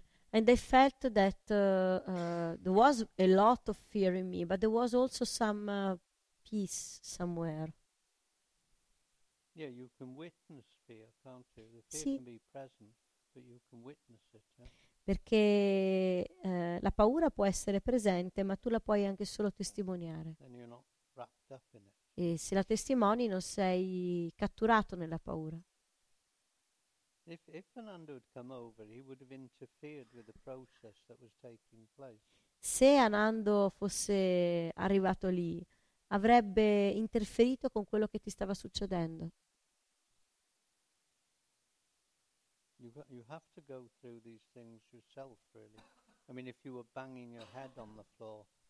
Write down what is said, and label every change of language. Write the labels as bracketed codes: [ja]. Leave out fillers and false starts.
[en] And I felt that there was a lot of fear in me, but there was also some peace somewhere. Yeah, you can witness fear, can't you? The fear can be present, but you can witness it. Yeah? [it] Perché la paura può essere presente, ma tu la puoi anche solo testimoniare. [en] Then you're not wrapped up in it. [it] E se la testimoni, non sei catturato nella paura. [en] If Anando had come over, he would have interfered with the process that was taking place. [it] Se Anando fosse arrivato lì, avrebbe interferito con quello che ti stava succedendo. [en] You have to go through these things yourself, really. I mean, if you were banging your head on the floor,